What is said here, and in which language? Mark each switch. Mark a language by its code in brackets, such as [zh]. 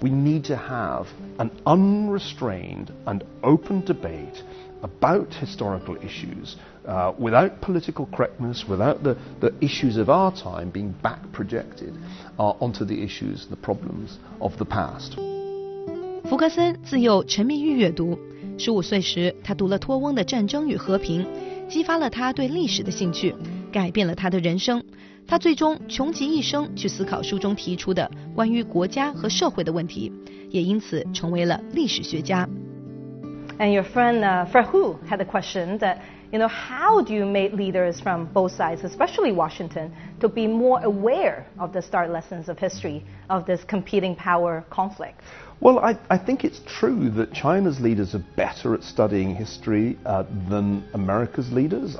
[en] We need to have an unrestrained and open debate about historical issues, without political correctness, without the issues of our time being back projected onto the issues and the problems of the past. [zh] 福格森自幼沉迷于阅读，十五岁时他读了托翁的《战争与和平》，激发了他对历史的兴趣，改变了他的人生。他最终穷极一生去思考书中提出的关于国家和社会的问题，也因此成为了历史学家。 [en] And your friend Fred Hu had a question that, you know, how do you make leaders from both sides, especially Washington, to be more aware of the stark lessons of history of this competing power conflict? Well, I think it's true that China's leaders are better at studying history than America's leaders.